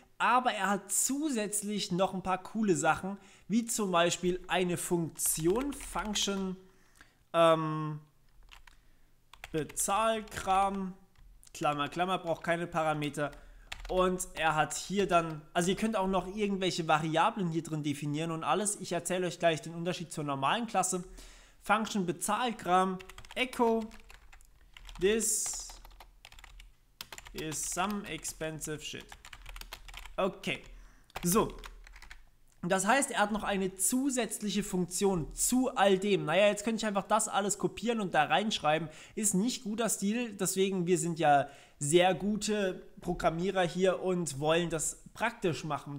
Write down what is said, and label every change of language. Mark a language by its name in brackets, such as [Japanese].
[German] Aber er hat zusätzlich noch ein paar coole Sachen, wie zum Beispiel eine Funktion, Function, Bezahlkram, Klammer, Klammer, braucht keine Parameter. Und er hat hier dann, also ihr könnt auch noch irgendwelche Variablen hier drin definieren und alles. Ich erzähle euch gleich den Unterschied zur normalen Klasse. [English] Function Bezahlkram echo this is some expensive shit. [German] Okay, so, das heißt, er hat noch eine zusätzliche Funktion zu all dem. Naja, jetzt könnte ich einfach das alles kopieren und da reinschreiben. Ist nicht guter Stil, deswegen, wir sind ja sehr gute Programmierer hier und wollen das praktisch machen.